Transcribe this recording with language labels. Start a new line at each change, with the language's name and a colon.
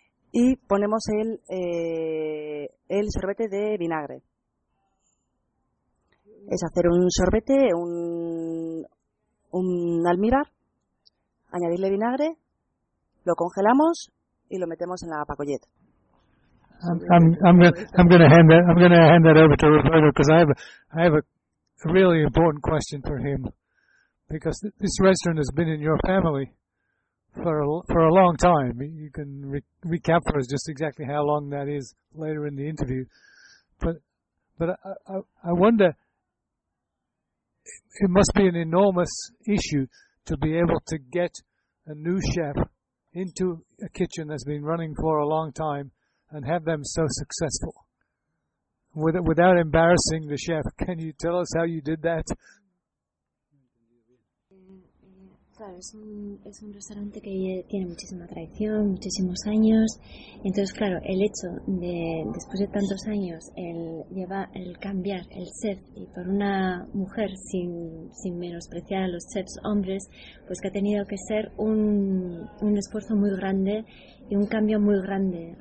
Spanish: Y ponemos el sorbete de vinagre. Es hacer un sorbete, un almíbar, añadirle vinagre, lo congelamos y lo metemos en la pacollet.
English: I'm going to hand that over to Roberto because I have a really important question for him, because this restaurant has been in your family for a long time. You can recap for us just exactly how long that is later in the interview, but I wonder, it must be an enormous issue to be able to get a new chef into a kitchen that's been running for a long time and have them so successful without embarrassing the chef. Can you tell us how you did that?
Spanish: Claro, es un restaurante que tiene muchísima tradición, muchísimos años. Entonces, claro, el hecho de, después de tantos años, el cambiar el chef y por una mujer, sin menospreciar a los chefs hombres, pues que ha tenido que ser un esfuerzo muy grande y un cambio muy grande.